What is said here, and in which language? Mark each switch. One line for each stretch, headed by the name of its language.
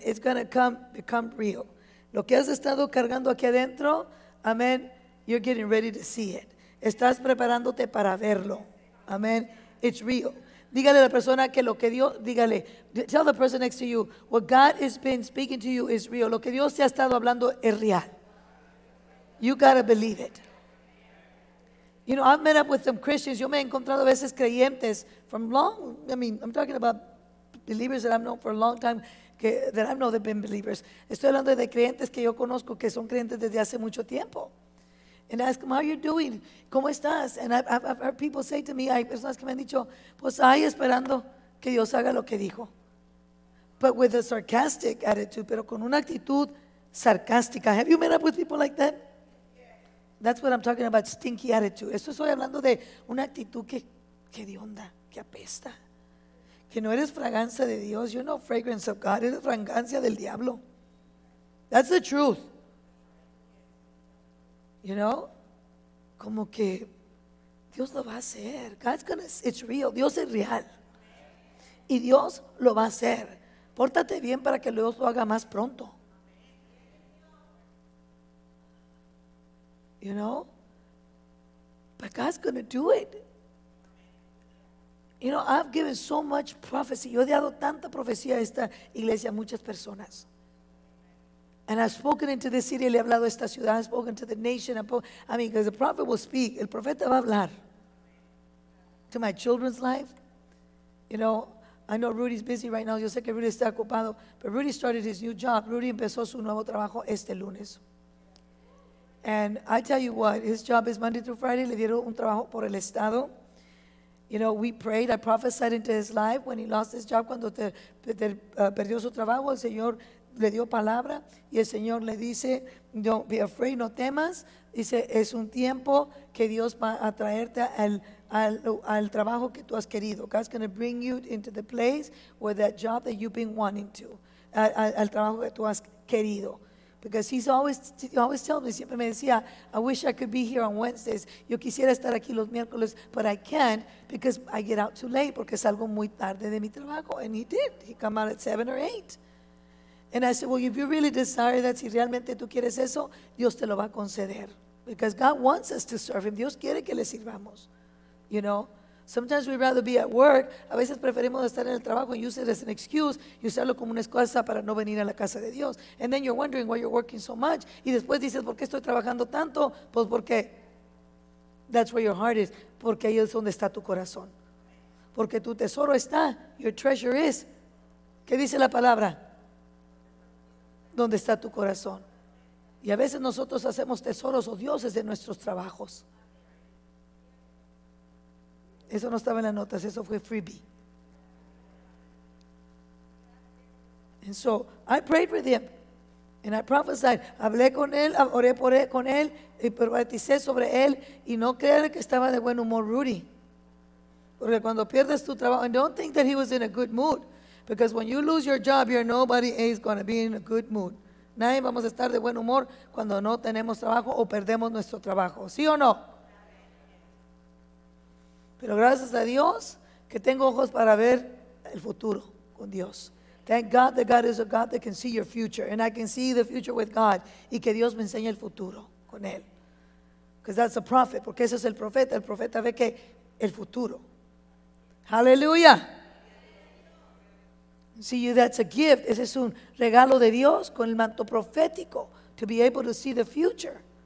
English: It's going to become real.
Spanish: Lo que has estado cargando aquí adentro,
English: amen, you're getting ready to see it.
Spanish: Estás preparándote para verlo. Amen.
English: It's real.
Spanish: Dígale a la persona que lo que Dios, dígale,
English: tell the person next to you, what God has been speaking to you is real.
Spanish: Lo que Dios te ha estado hablando es real.
English: You got to believe it. You know, I've met up with some Christians.
Spanish: Yo me he encontrado a veces creyentes
English: from long, I mean, I'm talking about believers that I've known for a long time, that I've known they've been believers.
Spanish: Estoy hablando de creyentes que yo conozco que son creyentes desde hace mucho tiempo.
English: And I ask them, how are you doing?
Spanish: ¿Cómo estás?
English: And I've heard people say to me,
Spanish: hay personas que me han dicho, pues ahí esperando que Dios haga lo que dijo.
English: But with a sarcastic attitude,
Spanish: pero con una actitud sarcástica.
English: Have you met up with people like that? That's what I'm talking about, stinky attitude.
Spanish: Esto estoy hablando de una actitud que de onda, que apesta. Que no eres fragancia de Dios.
English: You're no fragrance of God.
Spanish: Eres fragancia del diablo.
English: That's the truth. You know?
Spanish: Como que Dios lo va a hacer.
English: It's real.
Spanish: Dios es real. Y Dios lo va a hacer. Pórtate bien para que Dios lo haga más pronto.
English: You know, but God's going to do it. You know, I've given so much prophecy.
Spanish: Yo he dado tanta profecía a esta iglesia, a muchas personas.
English: And I've spoken into this city,
Spanish: le he hablado a esta ciudad,
English: I've spoken to the nation. I mean, because the prophet will speak,
Spanish: el profeta va a hablar.
English: To my children's life, You know, I know Rudy's busy right now.
Spanish: Yo sé que Rudy está ocupado,
English: but Rudy started his new job.
Spanish: Rudy empezó su nuevo trabajo este lunes.
English: And I tell you what, his job is Monday through Friday.
Spanish: Le dieron un trabajo por el estado.
English: You know, we prayed. I prophesied into his life when he lost his job.
Spanish: Cuando perdió su trabajo, el Señor le dio palabra y el Señor le dice,
English: don't be afraid,
Spanish: no temas. Dice, es un tiempo que Dios va a traerte al trabajo que tú has querido.
English: God's going to bring you into the place where that job that you've been wanting to,
Spanish: al trabajo que tú has querido.
English: Because he always tells me,
Spanish: siempre me decía,
English: I wish I could be here on Wednesdays.
Spanish: Yo quisiera estar aquí los miércoles,
English: but I can't because I get out too late,
Spanish: porque salgo muy tarde de mi trabajo.
English: And he did. He came out at 7 or 8. And I said, well, if you really desire that,
Spanish: si realmente tú quieres eso, Dios te lo va a conceder.
English: Because God wants us to serve him.
Spanish: Dios quiere que le sirvamos.
English: You know? Sometimes we'd rather be at work.
Spanish: A veces preferimos estar en el trabajo
English: and use it as an excuse.
Spanish: Y usarlo como una excusa para no venir a la casa de Dios.
English: And then you're wondering why you're working so much.
Spanish: Y después dices, ¿por qué estoy trabajando tanto? Pues porque
English: that's where your heart is.
Spanish: Porque ahí es donde está tu corazón. Porque tu tesoro está.
English: Your treasure is.
Spanish: ¿Qué dice la palabra? ¿Dónde está tu corazón? Y a veces nosotros hacemos tesoros o dioses de nuestros trabajos. Eso no estaba en las notas, eso fue freebie.
English: And so, I prayed with him. And I prophesied.
Spanish: Hablé con él, oré por él, con él, y profeticé sobre él, y no creer que estaba de buen humor, Rudy. Porque cuando pierdes tu trabajo,
English: and don't think that he was in a good mood. Because when you lose your job, you're nobody is going to be in a good mood.
Spanish: Nadie vamos a estar de buen humor cuando no tenemos trabajo o perdemos nuestro trabajo. ¿Sí o no? Pero gracias a Dios que tengo ojos para ver el futuro con Dios.
English: Thank God that God is a God that can see your future. And I can see the future with God.
Spanish: Y que Dios me enseñe el futuro con Él.
English: Because that's a prophet.
Spanish: Porque ese es el profeta. El profeta ve que el futuro. Hallelujah.
English: See, you, that's a gift.
Spanish: Ese es un regalo de Dios con el manto profético,
English: to be able to see the future.